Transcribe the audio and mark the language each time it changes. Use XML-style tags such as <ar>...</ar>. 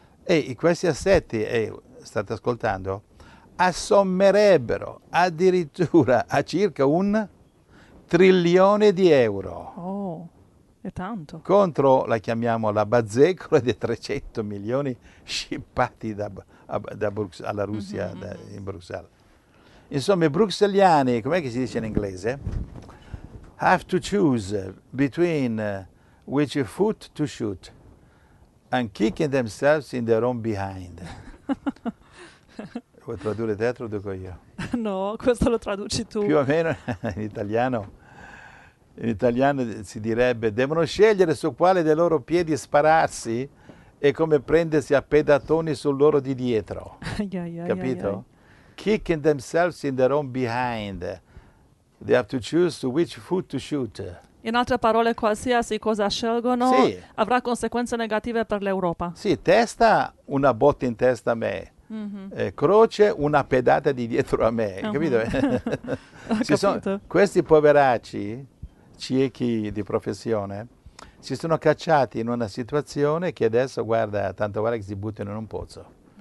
<it>E questi assetti, state ascoltando, assommerebbero addirittura a circa un trilione di euro, Oh, è tanto. contro la chiamiamo la bazzecola dei 300 milioni scippati alla Russia, in Bruxelles. Insomma, i bruxelliani, com'è che si dice in inglese?</it> <en>Have to choose between which foot to shoot and kicking themselves in their own behind.</en> <it>Vuoi tradurre te, traduco io. No, questo lo traduci tu. Più o meno in italiano si direbbe devono scegliere su quale dei loro piedi spararsi e come prendersi a pedatoni sul loro di dietro. Capito?</it> <en>Kicking themselves in their own behind. They have to choose to which foot to shoot.</en> <it>In altre parole, qualsiasi cosa scelgono Sì. avrà conseguenze negative per l'Europa. Sì, testa, una botta in testa a me. Croce, una pedata di dietro a me. Capito? Si sono, Ho questi poveracci, ciechi di professione, si sono cacciati in una situazione che adesso, guarda, tanto vale che si buttino in un pozzo.</it>